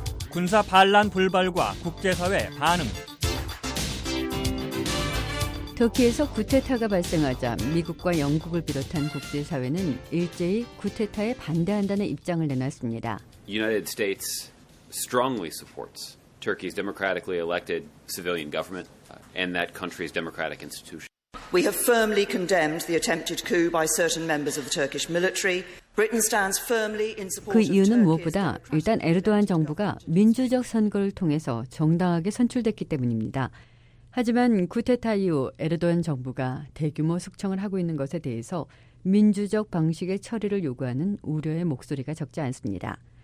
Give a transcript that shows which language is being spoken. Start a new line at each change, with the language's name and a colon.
Korean: 군사 반란 불발과 국제사회 반응. 터키에서 쿠데타가 발생하자 미국과 영국을 비롯한 국제사회는 일제히 쿠데타에 반대한다는 입장을 내놨습니다.
English: United States strongly supports Turkey's democratically elected civilian government and that country's democratic institutions. We have firmly condemned the attempted coup by certain members of the Turkish military. Britain stands firmly in support.
Korean: 그 이유는 무엇보다 일단 에르도안 정부가 민주적 선거를 통해서 정당하게 선출됐기 때문입니다. 하지만 쿠데타 이후 에르도안 정부가 대규모 숙청을 하고 있는 것에 대해서 민주적 방식의 처리를 요구하는 우려의 목소리가 적지 않습니다.